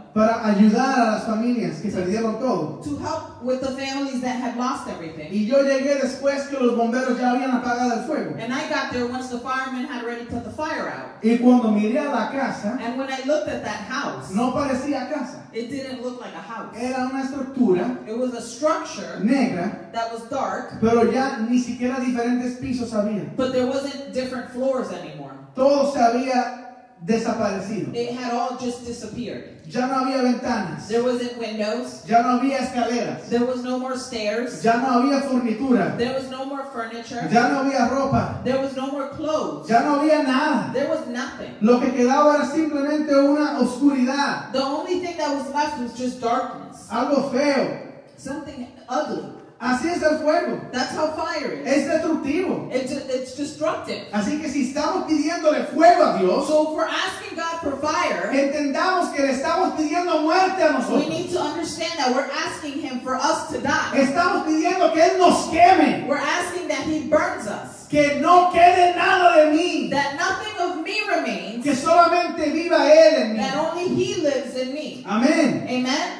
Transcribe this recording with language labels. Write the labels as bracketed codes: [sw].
[es] Para ayudar a las familias que perdieron todo. [en] To help with the families that had lost everything. [es] Y yo llegué después que los bomberos ya habían apagado el fuego. [en] And I got there once the firemen had already put the fire out. [es] Y cuando miré a la casa. [en] And when I looked at that house. [es] No parecía casa. [en] It didn't look like a house. [es] Era una estructura. [en] It was a structure. [es] Negra. [en] That was dark. [es] Pero ya ni siquiera diferentes pisos había. [en] But there wasn't different floors anymore. [es] Todo se había desaparecido. [en] It had all just disappeared. [es] Ya no había ventanas. [en] There wasn't windows. [es] Ya no había escaleras. [en] There was no more stairs. [es] Ya no había furnitura. [en] There was no more furniture. [es] Ya no había ropa. [en] There was no more clothes. [es] Ya no había nada. [en] There was nothing. [es] Lo que quedaba era simplemente una oscuridad. [en] The only thing that was left was just darkness. [es] Algo feo. [en] Something ugly. [es] Así es el fuego. [en] That's how fire is. [es] Es destructivo. [en] It's destructive. [es] Así que si estamos pidiéndole fuego a Dios, [en] so if we're asking God for fire, [es] entendamos que le estamos pidiendo muerte a nosotros. [en] We need to understand that we're asking Him for us to die. [es] Estamos pidiendo que Él nos queme. [en] We're asking that He burns us. [es] Que no quede nada de mí. [en] That nothing of me remains. [es] Que solamente viva Él en mí. [en] That only He lives in me. [es] Amén. [en] Amen.